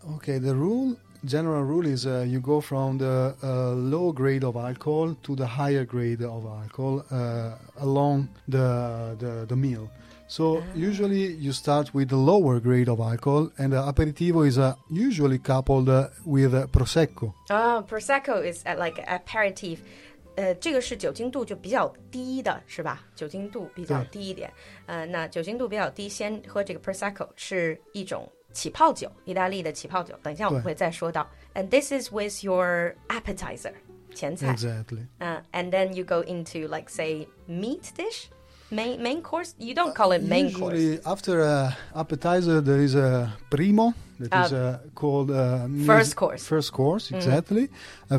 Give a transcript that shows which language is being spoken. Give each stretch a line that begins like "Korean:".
English: Okay, the rule, general rule is you go from the low grade of alcohol to the higher grade of alcohol along the meal. So usually you start with the lower grade of alcohol, and aperitivo is usually coupled with prosecco. Oh, prosecco is like aperitif.
Chinese: 这个是酒精度就比较低的，是吧？酒精度比较低一点。那酒精度比较低，先喝这个 prosecco 是一种起泡酒，意大利的起泡酒。等一下我们会再说到。
English: And this is with your appetizer,
Chinese: 前菜。
English: Exactly. And then you go into like say meat dish. Main course? You don't call it main usually course. Usually, after an appetizer, there is a primo, that is called... first course. First course, exactly. Mm-hmm.